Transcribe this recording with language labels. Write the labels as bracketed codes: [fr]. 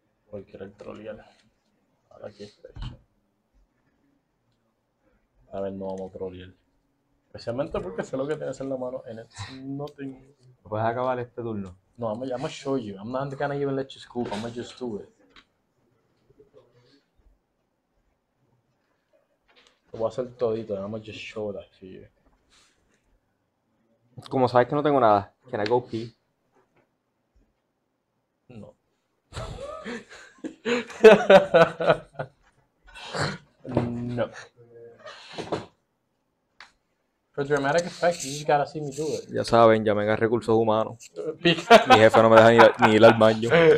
[es] Voy a querer trolear. Ahora aquí está hecho. A ver, no vamos a trolear. Especialmente porque sé lo que tiene que hacer la mano en el... No tengo... ¿Puedes acabar este turno? [en] No, I'm gonna show you. I'm not gonna even let you scoop. I'm gonna just do it. [es] Lo voy a hacer todito. [en] I'm gonna just show that to you. [es] Como sabes que no tengo nada, [en] can I go pee? [es] No. No. [en] For dramatic effect, you just gotta see me do it. [es] Ya saben, ya me agarré recursos humanos. Mi jefe no me deja ni ir al baño.